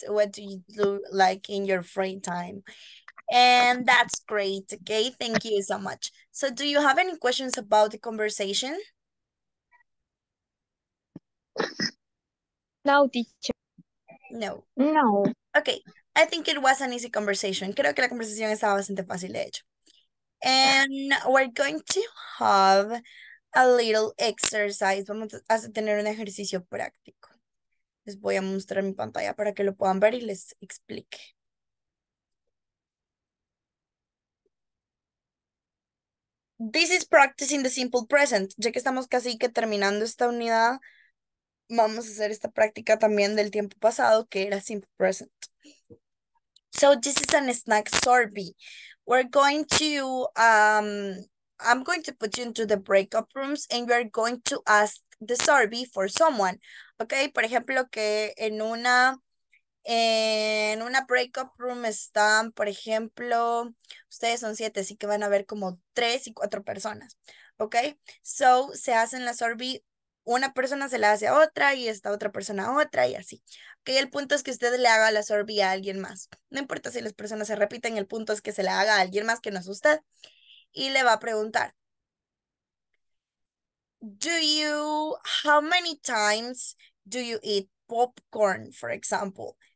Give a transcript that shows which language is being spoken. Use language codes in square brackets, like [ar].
[en] What do you do like in your free time? And that's great. Okay, thank you so much. So do you have any questions about the conversation? No, teacher. No. No. Okay, I think it was an easy conversation. [es] Creo que la conversación estaba bastante fácil, de hecho. [en] And we're going to have a little exercise. [es] Vamos a tener un ejercicio práctico. Les voy a mostrar mi pantalla para que lo puedan ver y les explique. [en] This is practicing the simple present. [es] Ya que estamos casi que terminando esta unidad, vamos a hacer esta práctica también del tiempo pasado, que era simple present. [en] So this is an snack sorbet. We're going to, I'm going to put you into the breakout rooms and you're going to ask the sorbet for someone. [es] Okay, por ejemplo, que en una breakout room están, por ejemplo, ustedes son siete, así que van a ver como tres y cuatro personas. Okay, so se hacen la sorbet, una persona se la hace a otra y esta otra persona a otra y así. Okay, el punto es que usted le haga la sorbet a alguien más. No importa si las personas se repiten, el punto es que se la haga a alguien más que no es usted. Y le va a preguntar. [en] How many times do you eat popcorn, for example?